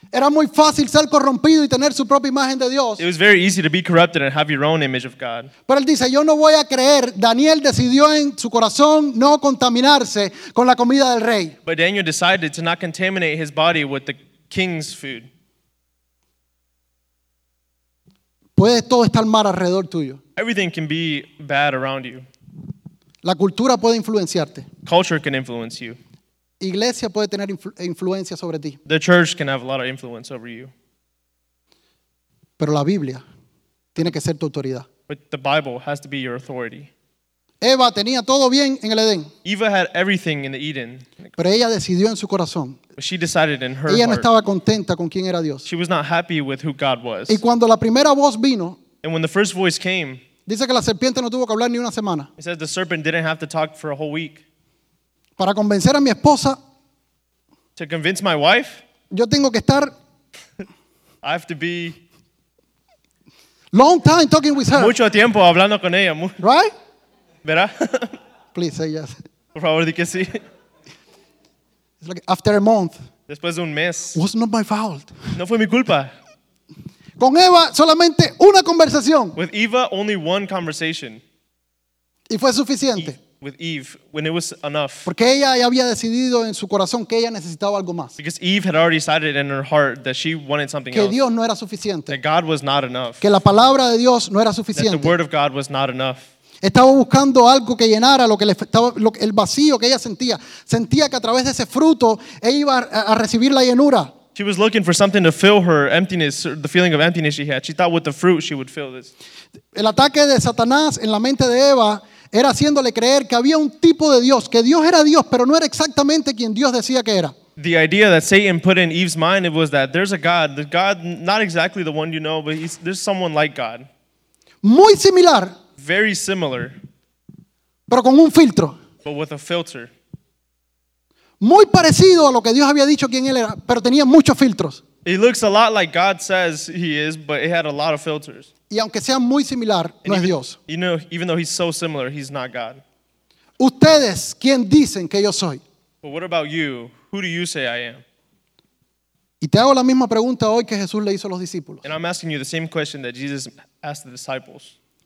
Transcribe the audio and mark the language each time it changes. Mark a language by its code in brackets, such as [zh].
[es] Era muy fácil ser corrompido y tener su propia imagen de Dios. [en] It was very easy to be corrupted and have your own image of God. [es] Pero él dice, yo no voy a creer. Daniel decidió en su corazón no contaminarse con la comida del rey. [en] But Daniel decided to not contaminate his body with the king's food. [es] Puede todo estar mal alrededor tuyo. [en] Everything can be bad around you. [es] La cultura puede influenciarte. [en] Culture can influence you. [es] Iglesia puede tener influencia sobre ti. [en] The church can have a lot of influence over you. [es] Pero la Biblia tiene que ser tu autoridad. [en] But the Bible has to be your authority. [es] Eva tenía todo bien en el Edén. [en] Eva had everything in the Eden. [es] Pero ella decidió en su corazón. [en] She decided in her [es] ella no [en] heart. [es] Estaba contenta con quién era Dios. [en] She was not happy with who God was. [es] Y cuando la primera voz vino, [en] and when the first voice came, [es] dice que la serpiente no tuvo que hablar ni una semana. [en] It says the serpent didn't have to talk for a whole week. [es] Para convencer a mi esposa, [en] to convince my wife, [es] yo tengo que estar [en] I have to be long time talking with her. [es] Mucho tiempo hablando con ella. [en] Right? [es] ¿Verdad? [en] Please say yes. [es] Por favor, di que sí. [en] It's like after a month. [es] Después de un mes. [en] Was not my fault. [es] No fue mi culpa. Con Eva solamente una conversación. [en] With Eva only one conversation. [es] Y fue suficiente. [en] With Eve when it was enough. [es] Porque ella ya había decidido en su corazón que ella necesitaba algo más. [en] Because Eve had already decided in her heart that she wanted something [es] que [en] else. [es] Que Dios no era suficiente. [en] That God was not enough. [es] Que la palabra de Dios no era suficiente. [en] That the word of God was not enough. [es] Estaba buscando algo que llenara lo que le estaba, lo, el vacío que ella sentía. Sentía que a través de ese fruto ella iba a recibir la llenura. [en] She was looking for something to fill her emptiness, or the feeling of emptiness she had. She thought with the fruit she would fill this. [es] El ataque de Satanás en la mente de Eva era haciéndole creer que había un tipo de Dios, que Dios era Dios, pero no era exactamente quien Dios decía que era. [en] The idea that Satan put in Eve's mind it was that there's a God, the God, not exactly the one you know, but he's, there's someone like God. [es] Muy similar. [en] Very similar. [es] Pero con un filtro. [en] But with a filter. [es] Muy parecido a lo que Dios había dicho quién él era, pero tenía muchos filtros. [en] He looks a lot like God says he is, but he had a lot of filters. [es] Y aunque sea muy similar, [en] and [es] no es Dios. [en] You know, even though he's so similar, he's not God. [es] Ustedes, ¿quién dicen que yo soy? [en] But what about you? Who do you say I am? [es] Y te hago la misma pregunta hoy que Jesús le hizo a los discípulos. [en] And I'm asking you the same question that Jesus asked the disciples.